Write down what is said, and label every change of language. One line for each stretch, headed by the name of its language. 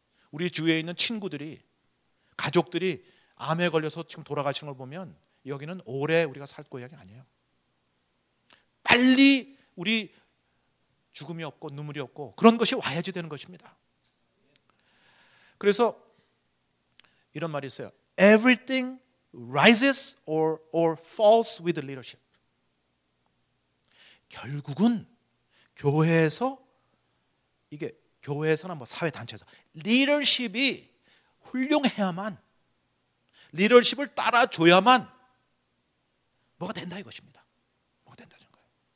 Korean: 우리 주위에 있는 친구들이 가족들이 암에 걸려서 지금 돌아가시는 걸 보면 여기는 오래 우리가 살 고향이 아니에요. 빨리 우리 죽음이 없고 눈물이 없고 그런 것이 와야지 되는 것입니다. 그래서 이런 말이 있어요.
English: Everything rises or falls with leadership.
Korean: 결국은 교회에서 이게 교회에서나 뭐 사회 단체에서 리더십이 훌륭해야만 리더십을 따라줘야만 뭐가 된다 이것입니다. 뭐가 된다는 거예요.